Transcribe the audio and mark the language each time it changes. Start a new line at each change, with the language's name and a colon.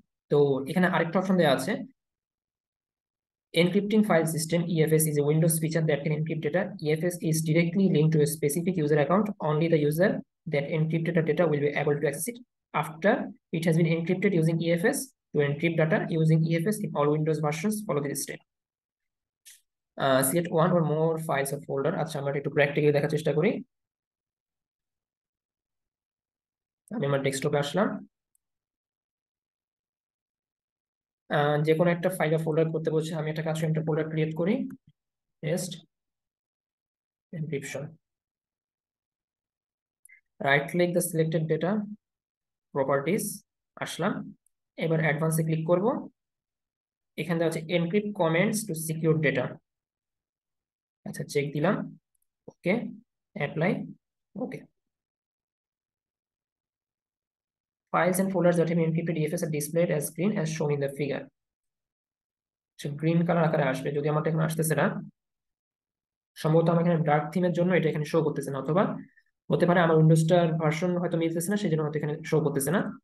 Bangla: তো এখানে আরেকটা অপশন দেওয়া আছে,
English: encrypting file system EFS is a windows feature that can encrypt data. EFS is directly linked to a specific user account. Only the user that encrypted the data will be able to access it. After it has been encrypted using EFS, to encrypt data using EFS in all windows versions, follow this step. Select one or more files or folder.
Bangla: আচ্ছা, আমরা একটু practically দেখার চেষ্টা করি। আমি আমার ডেস্কটপে আসলাম। যে কোনো একটা ফাইল বা ফোল্ডার করতে বলছে, আমি একটা কাজ একটা ফোল্ডার ক্রিয়েট করি, test encryption,
English: right click the selected data,
Bangla: properties আসলাম। এবার অ্যাডভান্সে ক্লিক করব। এখানে দেওয়া আছে
English: Encrypt comments to secure data.
Bangla: আচ্ছা, চেক দিলাম, ওকে, apply, okay.
English: Files and folders that have been encrypted EFS are displayed as green as shown in the figure. So green color
Bangla: আকারে আসবে যদি আমার এখানে আসতেছে না। সম্ভবত আমার এখানে ডার্ক থিমের জন্য এটা এখানে শো করতেছে না, অথবা হতে পারে আমার উইন্ডোজটার ভার্সন হয়তো মিলতেছে না, সেই জন্য হয়তো এখানে শো করতেছে না।